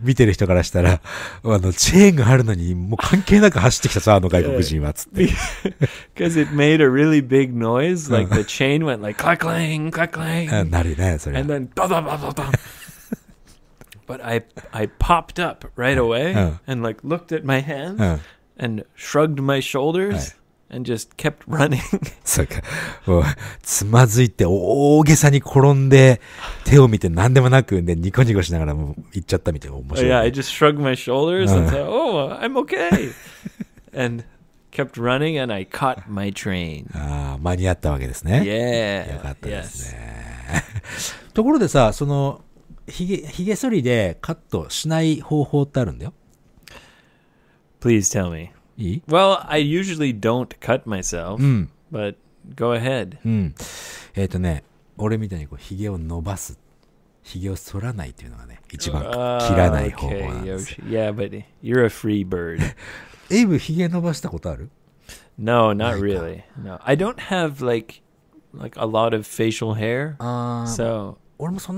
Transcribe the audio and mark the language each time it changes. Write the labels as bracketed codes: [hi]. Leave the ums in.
[ja] 見てる人からしたらあのチェーンがあるのにもう関係なく走ってきたさあの外国人はつって [en] yeah. because it made a really big noise like the chain went like clackling clackling [ja] なるねそれ [en] and then ドドドドド But I I popped up right away and like looked at my hands and shrugged my shoulders. and just kept running. [ja] そうか。もう、つまずいて大げさに転んで、手を見て何でもなく、ね、ニコニコしながらもう行っちゃったみたいな面白い。 [en] Yeah, I just shrugged my shoulders and said, oh, I'm okay. and kept running and I caught my train. [ja] ああ、間に合ったわけですね。 [en] Yeah. [ja] よかったですね。 ところでさ、その、ひげ、ひげ剃りでカットしない方法ってあるんだよ。 [en] Please tell me. [ja] いい? [en] Well, I usually don't cut myself, but go ahead. Mm. [ja] えっとね、俺みたいにこうひげを伸ばす、ひげを剃らないっていうのがね、一番切らない方法なんです。 Uh, [en] okay. Yeah, but you're a free bird. [ja] エイブひげ伸ばしたことある [en] ？No, not really. No, I don't have like like a lot of facial hair. So. [ja] 俺もそん